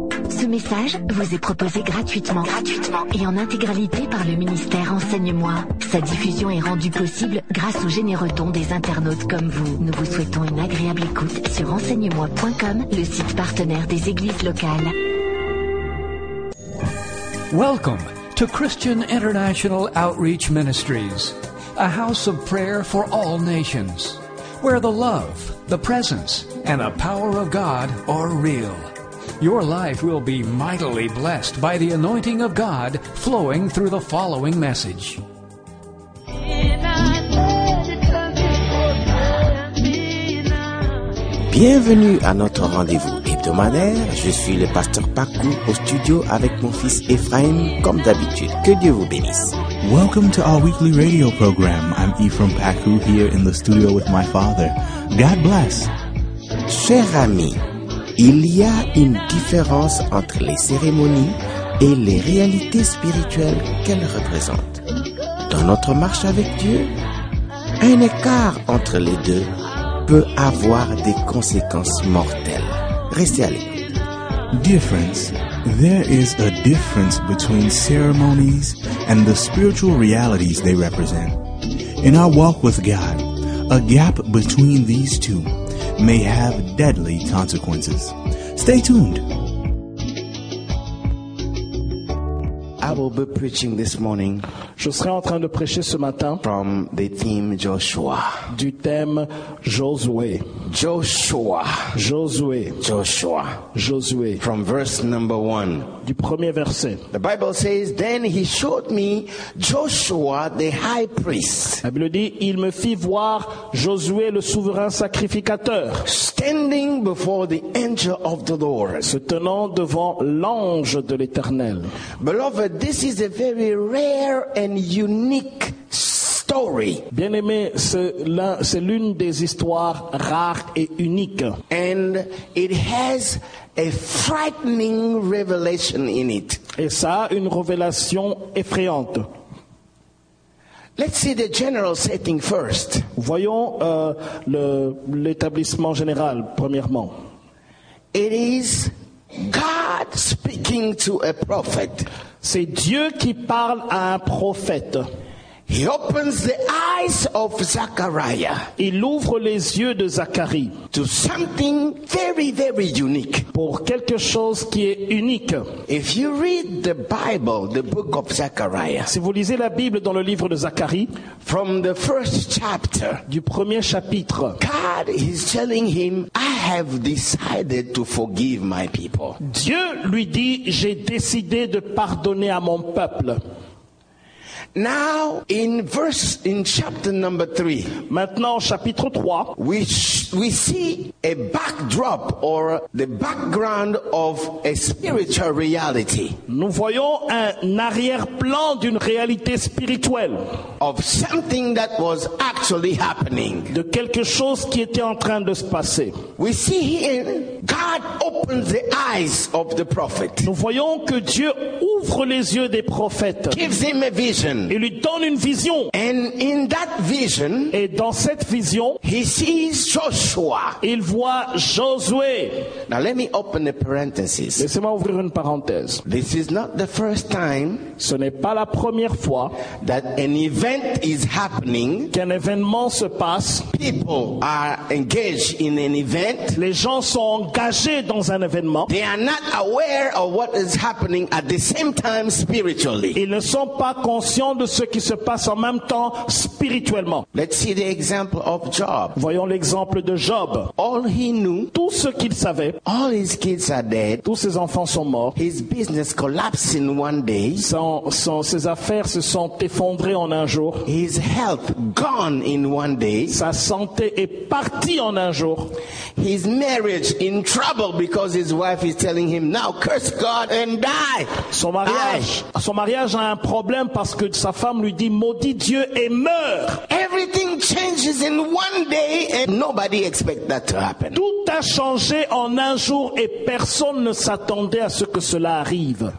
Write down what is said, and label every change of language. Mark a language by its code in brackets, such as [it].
[fr] Ce message vous est proposé gratuitement. Gratuitement. Et en intégralité par le ministère Enseigne-moi. Sa diffusion est rendue possible grâce au généreux don des internautes comme vous. Nous vous souhaitons une agréable écoute sur enseignemoi.com, le site partenaire des églises locales. [en] Welcome to Christian International Outreach Ministries, a house of prayer for all nations, where the love, the presence, and the power of God are real. Your life will be mightily blessed by the anointing of God flowing through the following message. [fr] Bienvenue à notre rendez-vous hebdomadaire. Je suis le pasteur Pakou au studio avec mon fils Ephraim, comme d'habitude. Que Dieu vous bénisse. [en] Welcome to our weekly radio program. I'm Ephraim Pakou here in the studio with my father. God bless. [fr] Chers amis, il y a une différence entre les cérémonies et les réalités spirituelles qu'elles représentent. Dans notre marche avec Dieu, un écart entre les deux peut avoir des conséquences mortelles. Restez à l'écoute. [en] Difference. There is a difference between ceremonies and the spiritual realities they represent. In our walk with God, a gap between these two may have deadly consequences. Stay tuned. I will be preaching this morning. [fr] Je serai en train de prêcher ce matin. [en] From the theme Joshua. [fr] Du thème Josué. [en] Joshua. [fr] Josué. [en] Joshua. [fr] Josué. [en] From verse number one. [fr] Du premier verset. [en] The Bible says, "Then he showed me Joshua, the high priest." [fr] La Bible dit, il me fit voir Josué, le souverain sacrificateur. [en] Standing before the angel of the Lord. [fr] Se tenant devant l'ange de l'Éternel. [en] Beloved, this is a very rare and unique story. [fr] Bien-aimé, c'est l'une des histoires rares et uniques. [en] And it has a frightening revelation in it. [fr] Et ça a une révélation effrayante. [en] Let's see the general setting first. [fr] Voyons l'établissement général premièrement. [en] It is God speaking to a prophet. [fr] C'est Dieu qui parle à un prophète. [en] He opens the eyes of Zachariah. [fr] Il ouvre les yeux de Zacharie. [en] To something very, very unique. [fr] Pour quelque chose qui est unique. [en] If you read the Bible, the book of Zechariah. [fr] Si vous lisez la Bible dans le livre de Zacharie. [en] From the first chapter. [fr] Du premier chapitre. [en] God is telling him, I have decided to forgive my people. [fr] Dieu lui dit, j'ai décidé de pardonner à mon peuple. [en] Now in chapter number 3. [fr] Maintenant chapitre 3. [en] We see a backdrop or the background of a spiritual reality. [fr] Nous voyons un arrière-plan d'une réalité spirituelle. [en] Of something that was actually happening. [fr] De quelque chose qui était en train de se passer. [en] We see here God opens the eyes of the prophet. [fr] Nous voyons que Dieu ouvre les yeux des prophètes. [en] Gives him a vision. [fr] Il lui donne une vision. [en] And in that vision, [fr] et dans cette vision, [en] he sees Joshua. [fr] Il voit Josué. [en] Now let me open a parenthesis. [fr] Laissez-moi ouvrir une parenthèse. [en] This is not the first time. [fr] Ce n'est pas la première fois [en] that an event is happening. [fr] Qu'un événement se passe. [en] People are engaged in an event. [fr] Les gens sont engagés dans un événement. [en] They are not aware of what is happening at the same time spiritually. [fr] Ils ne sont pas conscients de ce qui se passe en même temps spirituellement. [en] Let's see the example of Job. [fr] Voyons l'exemple de Job. [en] All he knew, [fr] tout ce qu'il savait, [en] all his kids are dead, [fr] tous ses enfants sont morts, [en] his business collapsed in one day, [fr] ses affaires se sont effondrées en un jour, [en] his health gone in one day, [fr] sa santé est partie en un jour, [en] his marriage in trouble because his wife is telling him, now curse God and die. [fr] Son mariage a un problème parce que sa femme lui dit, maudit Dieu et meurt. [en] Everything changes in one day and nobody expect that to happen. [fr] Tout a changé en un jour et personne ne s'attendait à ce que cela arrive.